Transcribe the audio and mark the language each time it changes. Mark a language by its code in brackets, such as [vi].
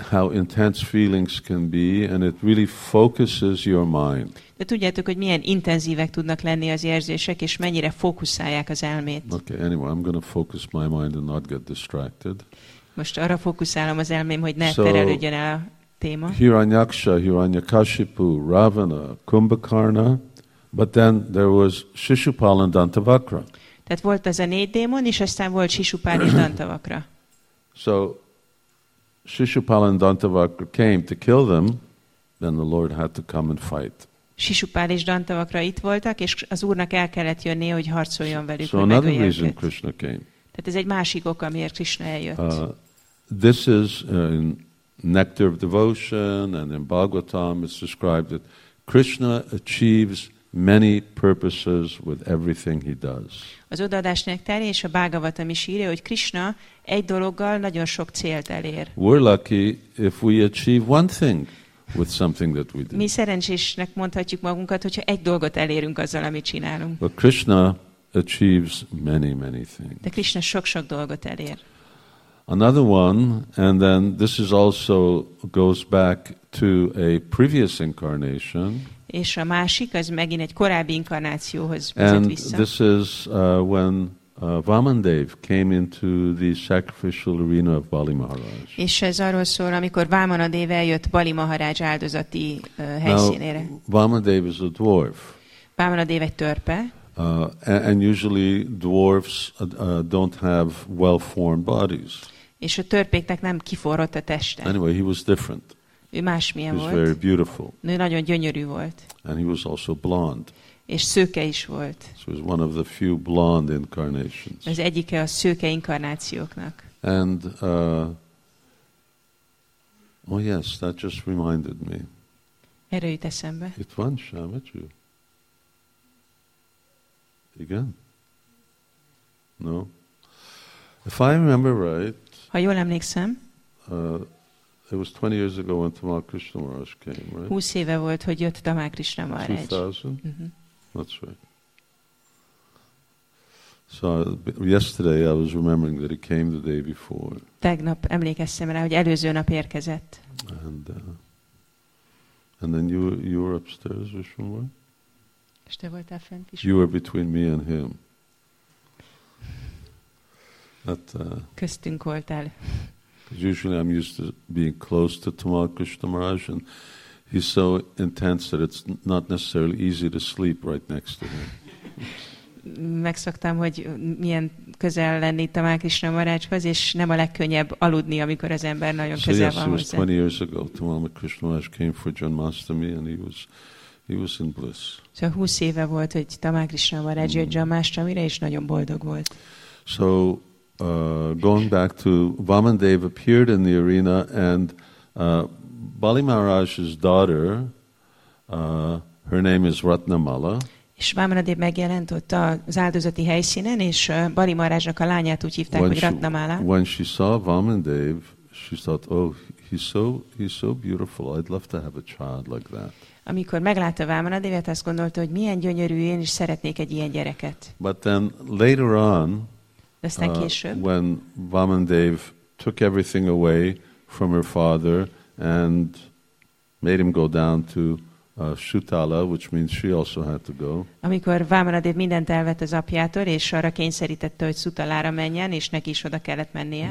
[en] How intense feelings can be, and it really focuses your mind. [hu] De tudjátok, hogy milyen intenzívek tudnak lenni az érzések, és mennyire fókuszálják az elmét. [en] Okay, anyway, I'm going to focus my mind and not get distracted. [hu] Most arra fókuszálom az elmém, hogy ne terelődjön el a téma. [en] Hiranyaksha, Hiranyakashipu, Ravana, Kumbhakarna, but then there was Shishupala and Dantavakra. [hu] Tehát volt ez a négy démon, és aztán volt Shishupala és Dantavakra. [en] So, Shishupala and Dantavakra came to kill them, then the Lord had to come and fight. [hu] Shishupala és Dantavakra itt voltak, és az Úrnak el kellett jönnie, hogy harcoljon velük, [en] so another reason Krishna came. [hu] Tehát ez egy másik ok, amiért Krishna eljött. [en] This is in Nectar of Devotion, and in Bhagavatam it's described that Krishna achieves many purposes with everything he does. [hu] Az odaadás nektárja és a Bhagavatam is írja, hogy Krishna egy dologgal nagyon sok célt elér. [en] We're lucky if we achieve one thing with something that we do. [hu] Mi szerencsésnek mondhatjuk magunkat, hogyha egy dolgot elérünk azzal, amit csinálunk. [en] But Krishna achieves many, many things. [hu] De Krishna sok-sok dolgot elér. [en] Another one, and then this is also goes back to a previous incarnation. [hu] És a másik, az megint egy korábbi inkarnációhoz vezet vissza. [en] And this is when Vamandev came into the sacrificial arena of Bali Maharaj. [hu] És ez arról szól, amikor Vamanadev eljött Bali Maharaj áldozati helyszínére. [en] Now, Vamandev is a dwarf. [hu] Vamanadev egy törpe. [en] And usually dwarfs don't have well-formed bodies. [hu] És a törpéknek nem kiforrott a teste. [en] Anyway, he was different. [hu] Ő másmilyen volt. [en] He was very beautiful. [hu] Ő nagyon gyönyörű volt. [en] And he was also blonde. [hu] És szőke is volt. [en] So he was one of the few blonde incarnations. [hu] Ez egyike a szőke inkarnációknak. [en] And, oh yes, that just reminded me. [hu] Erre jut eszembe. It van, Shamaju. Igen? [en] No? If I remember right, [hu] ha jól emlékszem, [en] it was 20 years ago when Tamal Krishna Maharaj came, right? [hu] 20 éve volt, hogy jött Tamal Krishna Maharaj. [en] 2000? Mm-hmm. That's right. So yesterday I was remembering that he came the day before. [hu] Tegnap emlékeztem rá, hogy előző nap érkezett. [en] And then you were upstairs, Vishwamur? [hu] És te voltál fent, Vishwamur? [en] You were between me and him. But, [hu] köztünk voltál. [en] Usually I'm used to being close to Tamal Krishna Maharaj, and he's so intense that it's not necessarily easy to sleep right next to him. [hu] Megszoktam, hogy milyen közel lenni Tamal Krishna Maharajhoz, és nem a legkönnyebb aludni, amikor az ember nagyon közel van hozzá. [en] So yes, it was 20 years ago, Tamal Krishna Maharaj came for Janmashtami, and he was in bliss. [hu] So 20 éve volt, hogy Tamal Krishna Maharaj jött Janmashtamire, és nagyon boldog volt. [en] So, going back to Vamandev appeared in the arena, and Bali Maharaj's daughter, her name is Ratnamala. [hu] És Vamanadev megjelent ott az áldozati helyszínen, és Bali Maharajnak a lányát úgy hívták, hogy Ratnamala. [en] When she saw Vamandev, she thought, "Oh, he's so beautiful. I'd love to have a child like that." [hu] Amikor meglátta Vamanadevet, azt gondolta, hogy milyen gyönyörű, én is szeretnék egy ilyen gyereket. [en] But then later on, [hu] később, [en] when Vamandev took everything away from her father and made him go down to Shutala, which means she also had to go. [hu] Amikor Vamanadev mindent elvett az apjától, és arra kényszerítette, hogy Shutalára menjen, és neki is oda kellett mennie.